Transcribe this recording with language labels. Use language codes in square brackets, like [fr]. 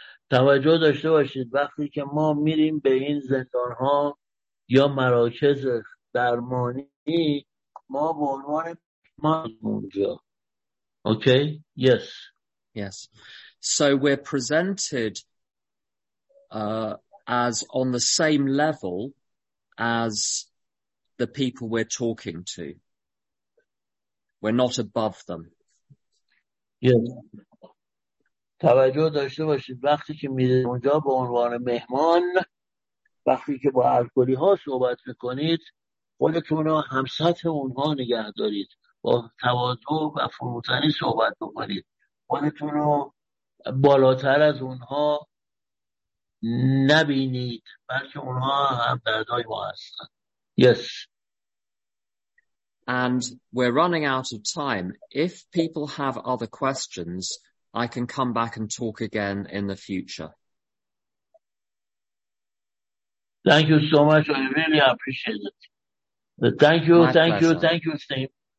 [fa] توجه داشته باشید وقتی که ما میریم به این زندان‌ها یا مراکز درمانی ما به عنوان مهمونجا. [en] Okay? Yes. Yes. So we're presented as on the same level as the people we're talking to. We're not above them. Yes. [fa] توجه داشته باشید وقتی که میرید اونجا به عنوان مهمان، وقتی که با الکلی ها صحبت میکنید خودتون رو هم سطح اونها نگه دارید، با تواضع و فروتنی صحبت میکنید، خودتون رو بالاتر از اونها نبینید، بلکه اونها هم دردای ما هستن. [en] Yes. And we're running out of time. If people have other questions, I can come back and talk again in the future. Thank you so much. I really appreciate it. Thank you. My pleasure. Thank you, Steve.